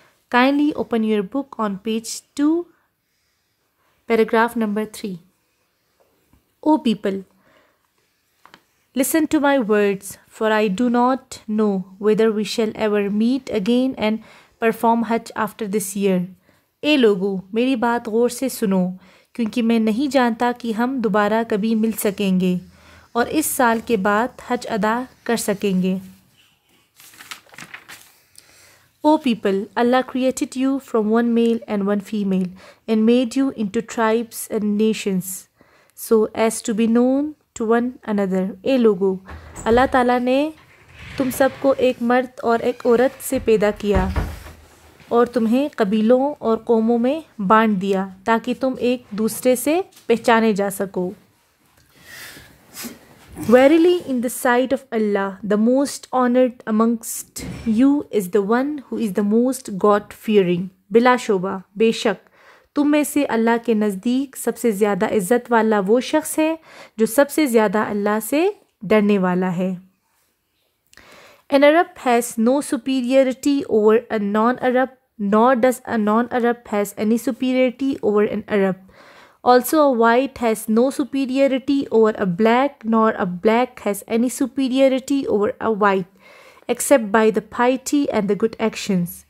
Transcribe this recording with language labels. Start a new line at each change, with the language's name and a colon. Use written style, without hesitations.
English: Kindly open your book on page 2, paragraph number 3. O people, listen to my words, for I do not know whether we shall ever meet again and perform Hajj after this year.
Urdu: اے لوگو میری بات غور سے سنو کیونکہ میں نہیں جانتا کہ ہم دوبارہ کبھی مل سکیں گے اور اس سال کے بعد حج ادا کر سکیں گے.
English: O people, Allah created you from one male and one female and made you into tribes and nations so as to be known to one another.
Urdu: اے لوگو اللہ تعالیٰ نے تم سب کو ایک مرد اور ایک عورت سے پیدا کیا اور تمہیں قبیلوں اور قوموں میں بانٹ دیا تاکہ تم ایک دوسرے سے پہچانے جا سکو.
English: Verily in the sight of Allah, the most honored amongst you is the one who is the most God-fearing.
Urdu: بلا شبہ بے شک تم میں سے اللہ کے نزدیک سب سے زیادہ عزت والا وہ شخص ہے جو سب سے زیادہ اللہ سے ڈرنے والا ہے.
English: An Arab has no superiority over a non-Arab, nor does a non-Arab has any superiority over an Arab. Also, a white has no superiority over a black, nor a black has any superiority over a white, except by the piety and the good actions.